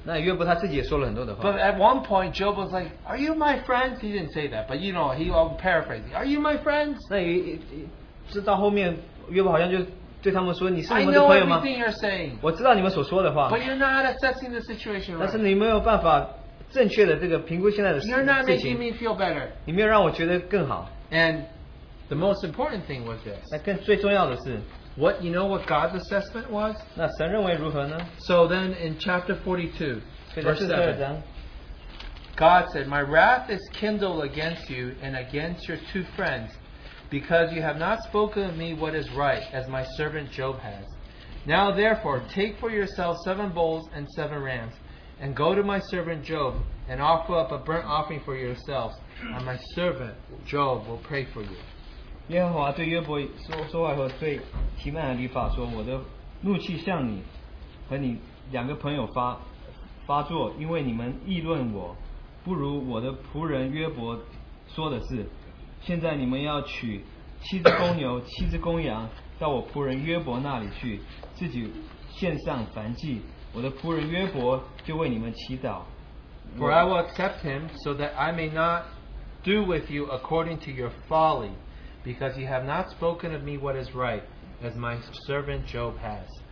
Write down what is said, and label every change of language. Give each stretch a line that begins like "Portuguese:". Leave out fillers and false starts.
English: But at one point, Job was like, are you my friends? He didn't say that, but he was paraphrasing. Are you my friends?
Chinese: 那到后面,约伯好像就对他们说,你是我的朋友吗?
English: I know everything you're saying.
Chinese: 我知道你们所说的话,
English: but you're not assessing the situation. Right?
Chinese: 但是你没有办法 正确的这个评估现在的事情,
English: you're not making me feel better.
Chinese: 你没有让我觉得更好。
English: And the most important thing was this.
Chinese: 那更最重要的是,
English: what, what God's assessment was?
Chinese: 那神认为如何呢?
English: So then in chapter 42, verse 7, God said, my wrath is kindled against you and against your two friends, because you have not spoken of me what is right, as my servant Job has. Now therefore, take for yourself seven bulls and seven rams, and go to my servant Job and offer up a burnt offering for yourselves, and my servant Job will pray for you.
Chinese: 耶和华对约伯说话以后对提曼和律法说我的怒气向你和你两个朋友发作因为你们议论我不如我的仆人约伯说的事现在你们要娶七只公牛七只公羊到我仆人约伯那里去自己献上燔祭我的仆人约伯就为你们祈祷。
English: For I will accept him so that I may not do with you according to your folly, because you have not spoken of me what is right, as my servant Job has.